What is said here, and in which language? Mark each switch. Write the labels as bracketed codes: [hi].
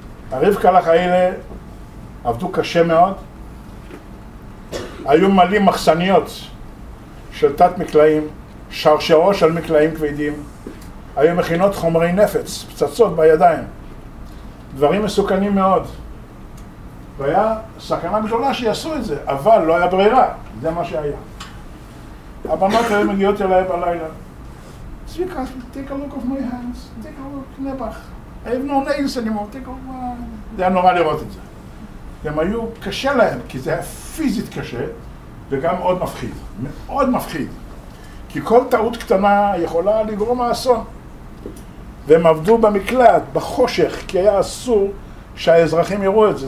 [he] הרבקלה האלה עבדו קשה מאוד, היו מלאים מחסניות של תת מקלעים, שרשרו של מקלעים כבדים, היו מכינות חומרי נפץ, פצצות בידיים, דברים מסוכנים מאוד. והיה סכנה גדולה שיעשו את זה, אבל לא היה ברירה, זה מה שהיה. הבנות היו מגיעות אליי בלילה, [en] צביקה, take a look of my hands, take a look, [he] נבח, [en] I have no nails anymore, take a look. [he] זה היה נורא לראות את זה. הם היו קשה להם, כי זה היה פיזית קשה, וגם מאוד מפחיד, מאוד מפחיד. כי כל טעות קטנה יכולה לגרום האסון. והם עבדו במקלט, בחושך, כי היה אסור שהאזרחים יראו את זה.